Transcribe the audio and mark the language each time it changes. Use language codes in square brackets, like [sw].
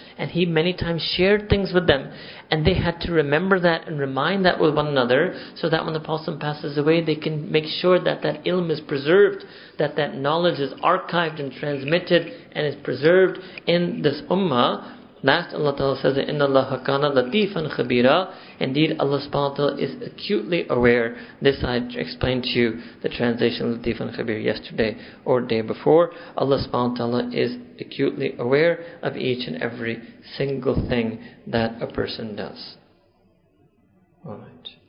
[en] And he many times shared things with them. And they had to remember that and remind that with one another, so that when the Prophet ﷺ passes away, they can make sure that that ilm is preserved, that that knowledge is archived and transmitted and is preserved in this ummah. Last, Allah Ta'ala says, [ar] إِنَّ اللَّهَ كَانَ لَطِيفًا خَبِيرًا. [en] Indeed, Allah subhanahu wa ta'ala is acutely aware. This I explained to you, the translation of Latifan Khabir, yesterday or day before. Allah subhanahu wa ta'ala is acutely aware of each and every single thing that a person does. Alright.